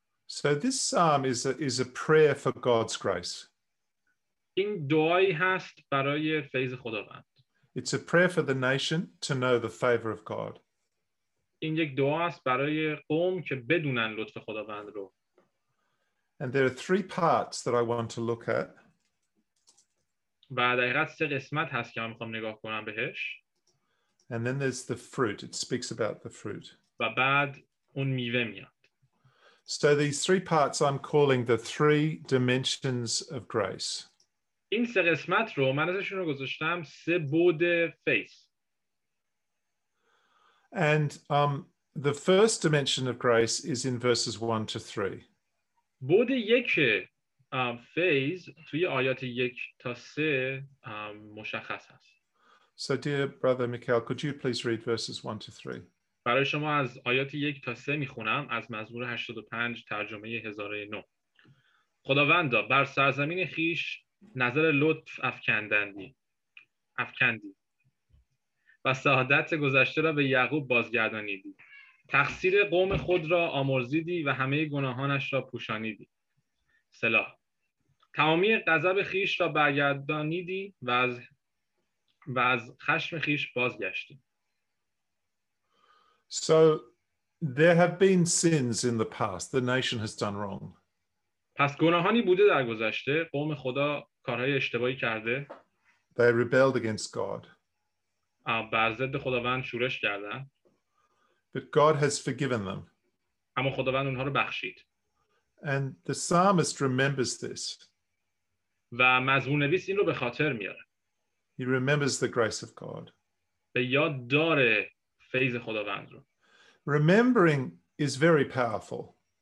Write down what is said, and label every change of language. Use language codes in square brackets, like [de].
[en] So this psalm is a prayer for God's grace. [fa] این دعایی هست برای فیض خداوند. [en] It's a prayer for the nation to know the favor of God. [fa] این یک دعا است برای قوم که بدونن لطف خداوند رو. [en] And there are three parts that I want to look at. [fa] و دقیقاً سه قسمت هست که من میخوام نگاه کنم بهش. [en] And then there's the fruit. It speaks about the fruit. [fa] و بعد اون میوه میاد. [en] So these three parts I'm calling the three dimensions of grace. [fa] این سه قسمت رو من ازشون رو گذاشتم سه بود فیض. [en] And the first dimension of grace is in verses 1 to 3. [fa] بود یک فیض توی آیات 1 تا 3 مشخص است. [en] So dear brother Mikhail, could you please read verses 1 to 3? [fa] برای شما از آیات 1 تا 3 میخونم از مزمور 85 ترجمه 1009. خداوندا بر سرزمین خیش نظر لطف افکندی و سعادت گذشته را به یعقوب بازگردانیدی، تقصیر قوم خود را آمرزیدی و همه گناهانش را پوشانیدی. سلاح تمامی غضب خیش را برگردانیدی و از خشم خیش بازگشتی. [en] So there have been sins in the past. The nation has done wrong. [fa] پس گناهانی بوده در گذشته، قوم خدا کارهای اشتباهی کرده. [en] They rebelled against God. [fa] بر ضد خداوند شورش کردند. [en] But God has forgiven them. [fa] اما خداوند اونها رو بخشید. [en] And the psalmist remembers this. [fa] و مزمور نویس این رو به خاطر میاره. [en] He remembers the grace of God. [fa] به یاد داره فیض خداوند رو. [en] Remembering is very powerful.